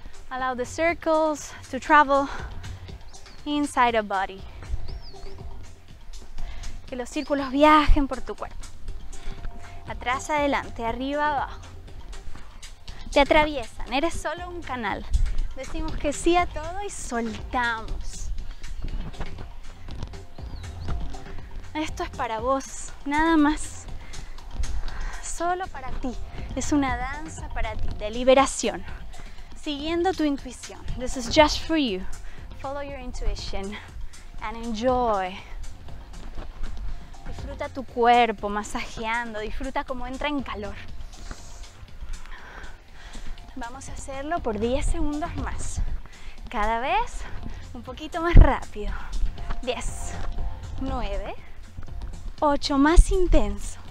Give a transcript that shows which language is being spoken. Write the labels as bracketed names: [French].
[English] Allow the circles to travel inside a body. [Spanish] Que los círculos viajen por tu cuerpo. Atrás, adelante, arriba, abajo. Te atraviesan, eres solo un canal. Decimos que sí a todo y soltamos. Esto es para vos, nada más. Solo para ti. Es una danza para ti, de liberación. Siguiendo tu intuición. [English] This is just for you. Follow your intuition and enjoy. [Spanish] Disfruta tu cuerpo masajeando, disfruta cómo entra en calor. Vamos a hacerlo por 10 segundos más. Cada vez un poquito más rápido. 10, 9, 8, más intenso.